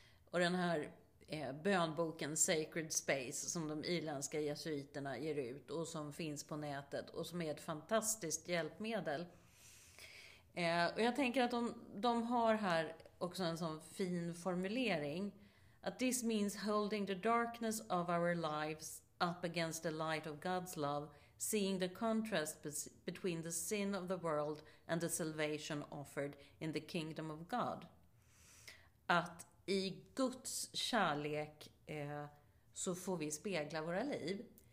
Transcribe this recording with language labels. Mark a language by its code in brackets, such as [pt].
[sv] Och den här bönboken Sacred Space som de irländska jesuiterna ger ut och som finns på nätet och som är ett fantastiskt hjälpmedel. Och jag tänker att de har här också en sån fin formulering. [en] That this means holding the darkness of our lives up against the light of God's love, seeing the contrast between the sin of the world and the salvation offered in the kingdom of God. [sv] Att i Guds kärlek så får vi spegla våra liv.